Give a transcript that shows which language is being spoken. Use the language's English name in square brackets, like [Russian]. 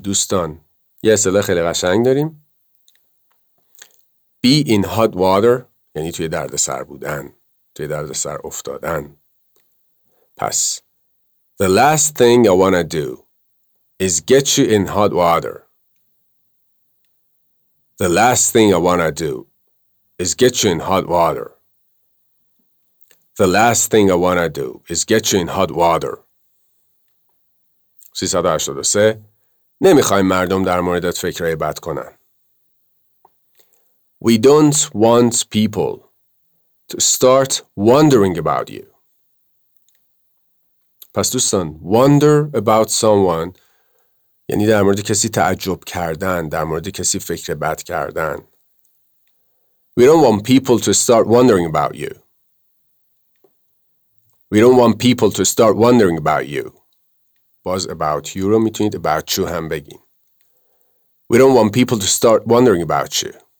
[Persian] دوستان یه اصطلاح خیلی قشنگ داریم [English] Be in hot water [Persian] یعنی توی درد سر بودن توی درد سر افتادن پس [English] The last thing I wanna do is get you in hot water [Persian] The last thing I wanna do is get you in hot water The last thing I wanna do is get you in hot water. 383 نمیخوایم مردم در موردت فکرای بد کنن. [English] We don't want people to start wondering about you. [Persian] پس دوستان [English] wonder about someone [Persian] یعنی در مورد کسی تعجب کردن، در مورد کسی فکر بد کردن. [English] We don't want people to start wondering about you. We don't want people to start wondering about you. [Persian] باز about you رو میتونید about you هم بگین. [English] We don't want people to start wondering about you.